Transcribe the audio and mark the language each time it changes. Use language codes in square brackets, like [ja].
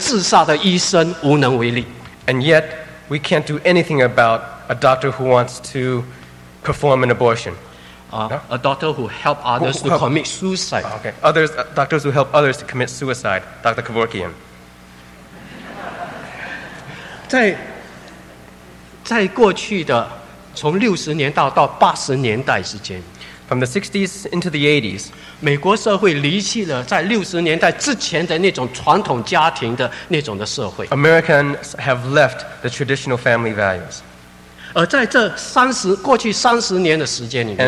[zh] 可是同样的，这个社会对一个帮助别人自杀的医生无能为力。 [en] And yet, we can't do anything about a doctor who wants to perform an abortion. A doctor who help others to commit suicide. Okay. Others, doctors who help others to commit suicide. Dr. Kevorkian. [zh] 在过去的从60年到80年代之间, [en] from the 60s into the 80s, [zh] 美国社会离弃了在60年代之前的那种传统家庭的那种的社会。 [en] Americans have left the traditional family values. [zh] 而在这过去30年的时间里面,